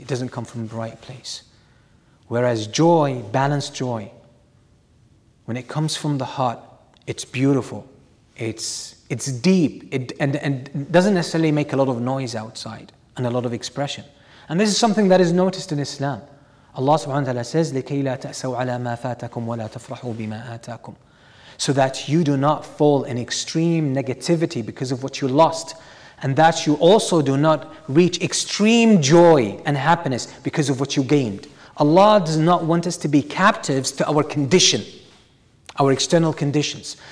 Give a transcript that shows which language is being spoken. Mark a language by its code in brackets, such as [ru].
[en] It doesn't come from the right place. Whereas joy, balanced joy, when it comes from the heart, it's beautiful. It's deep. It doesn't necessarily make a lot of noise outside and a lot of expression. And this is something that is noticed in Islam. Allah subhanahu wa ta'ala says, [ar] لِكَيْ لَا تَأْسَوْ عَلَى مَا فَاتَكُمْ وَلَا تَفْرَحُوا بِمَا آتَاكُمْ. [en] So that you do not fall in extreme negativity because of what you lost, and that you also do not reach extreme joy and happiness because of what you gained. Allah does not want us to be captives to our condition, our external conditions.